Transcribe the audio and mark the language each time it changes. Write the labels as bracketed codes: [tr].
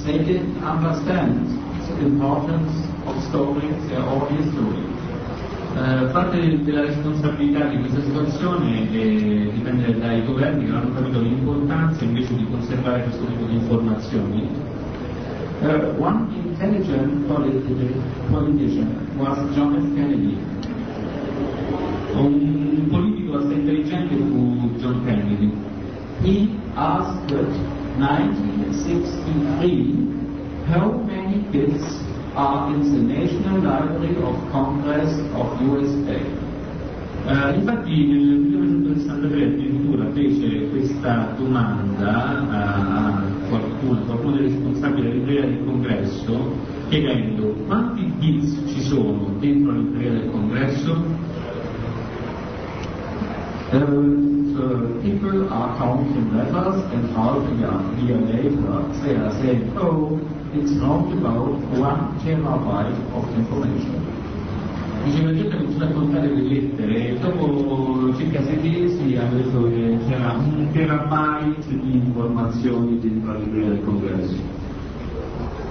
[en] They didn't understand the importance of storing their own history. [it] Parte della responsabilità di questa situazione dipende dai governi che non hanno capito l'importanza invece di conservare questo tipo di informazioni. [en] One intelligent politician was John F. Kennedy. [it] Un politico assai intelligente fu John Kennedy. [en] He asked 1963, how many bits are in the National Library of Congress of USA? [it] Infatti nel 1963 addirittura fece questa domanda a qualcuno del responsabile della libreria del congresso, chiedendo quanti bits ci sono dentro la libreria del congresso? [en] People are counting letters and half a year later they are saying, oh, it's not about 1 terabyte of information. [it] Dice la gente continua a contare le lettere e dopo circa 6 mesi ha detto che c'era 1 terabyte di informazioni dentro la libreria del congresso.